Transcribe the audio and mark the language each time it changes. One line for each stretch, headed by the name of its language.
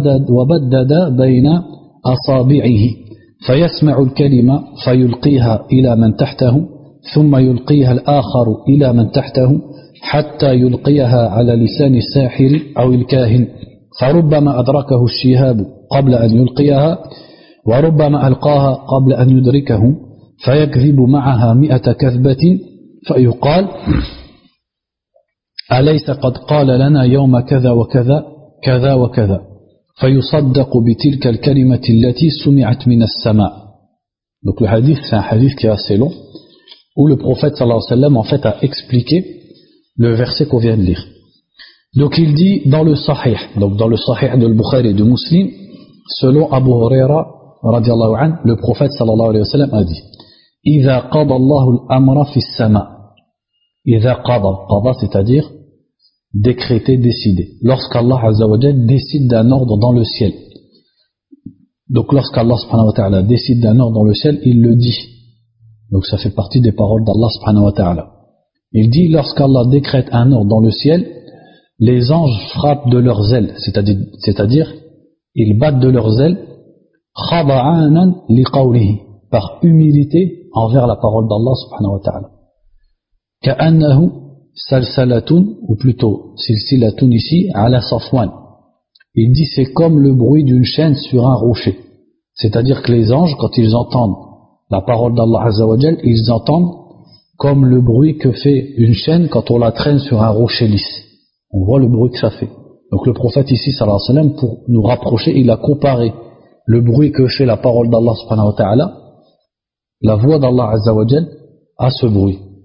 Arabic: وبدد بين أصابعه فيسمع الكلمة فيلقيها إلى من تحته ثم يلقيها الآخر إلى من تحته حتى يلقيها على لسان الساحر أو الكاهن فربما أدركه الشهاب قبل أن يلقيها وربما ألقاها قبل أن يدركه فيكذب معها 100 كذبة فيقال أليس قد قال لنا يوم كذا وكذا كذا وكذا فيصدق بتلك الكلمة التي سمعت من السماء.
French: Donc le hadith c'est un hadith qui est assez long, où le prophète sallallahu alayhi wa sallam en fait a expliqué le verset qu'on vient de lire. Donc il dit dans le Sahih, donc dans le Sahih de Bukhari et de Muslim, Selon Abu Huraira, radiallahu anhu, le prophète sallallahu alayhi wa sallam a dit:
Arabic: إذا قضى الله الأمر في السماء. إذا قضى, قضى,
French: c'est-à-dire décréter, décider. Lorsqu'Allah Azza wa Jalla décide d'un ordre dans le ciel. Donc lorsqu'Allah subhanahu wa ta'ala décide d'un ordre dans le ciel, il le dit. Donc ça fait partie des paroles d'Allah subhanahu wa ta'ala. Il dit, lorsqu'Allah décrète un ordre dans le ciel, les anges frappent de leurs ailes, c'est-à-dire ils battent de leurs ailes,
Arabic: خَضَعَانًا لِقَوْلِهِ,
French: par humilité envers la parole d'Allah subhanahu wa ta'ala.
Arabic: كَأَنَّهُ سَلْسَلَتُنْ,
French: ou plutôt
Arabic: سِلْسِلَتُنْ ici, عَلَى صَفْوَانٍ.
French: Il dit, c'est comme le bruit d'une chaîne sur un rocher. C'est-à-dire que les anges, quand ils entendent la parole d'Allah Azza wa Jal, ils entendent comme le bruit que fait une chaîne quand on la traîne sur un rocher lisse. On voit le bruit que ça fait. Donc le prophète ici, sallallahu alayhi wa sallam, pour nous rapprocher, il a comparé le bruit que fait la parole d'Allah subhanahu wa ta'ala, la voix d'Allah Azza wa Jal, à ce bruit.